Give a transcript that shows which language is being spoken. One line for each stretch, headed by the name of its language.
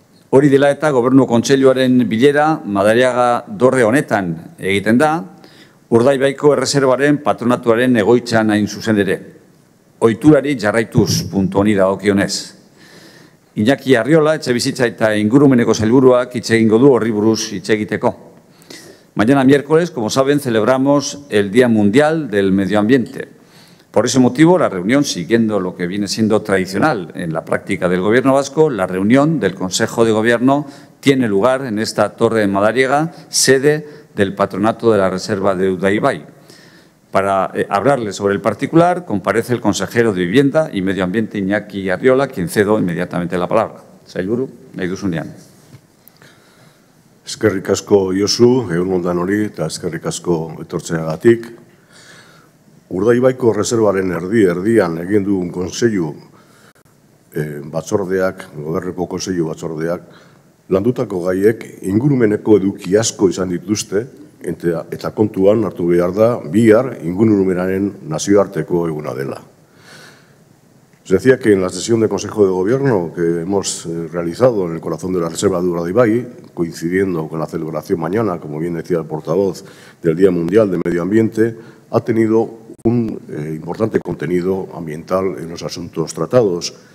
Basque: Hori dela eta Gobernu Kontseiluaren bilera Madariaga dorre honetan egiten da, Urdaibaiko Erreserbaren patronatuaren egoitzan hain zuzen ere. Ohiturari jarraituz, puntu honi dagokionez. Iñaki Arriola, Etxebizitza eta Ingurumeneko Sailburuak hitz egingo du horri buruz hitz egiteko.
Spanish: Mañana miércoles, como saben, celebramos el Día Mundial del Medio Ambiente. Por ese motivo, la reunión, siguiendo lo que viene siendo tradicional en la práctica del Gobierno Vasco, la reunión del Consejo de Gobierno tiene lugar en esta Torre de Madariaga, sede del Patronato de la Reserva de Urdaibai. Para hablarle sobre el particular, comparece el consejero de Vivienda y Medio Ambiente, Iñaki Arriola, quien cedo inmediatamente la palabra.
Basque: Sailburu, nahi duzunean. Eskerrik asko, Josu, egun moldan hori, eta eskerrik asko etortzeagatik. Urdaibaiko Reservaren erdian egin dugun konseilu batzordeak, gobernuko konseilu batzordeak, landutako gaiek ingurumeneko eduki asko izan dituzte, eta kontuan hartu behar da bihar ingurumenaren nazioarteko eguna dela.
Spanish: Se decía que en la sesión de Consejo de Gobierno que hemos realizado en el corazón de la Reserva de Urdaibai, coincidiendo con la celebración mañana, como bien decía el portavoz del Día Mundial de Medio Ambiente, ha tenido un importante contenido ambiental en los asuntos tratados.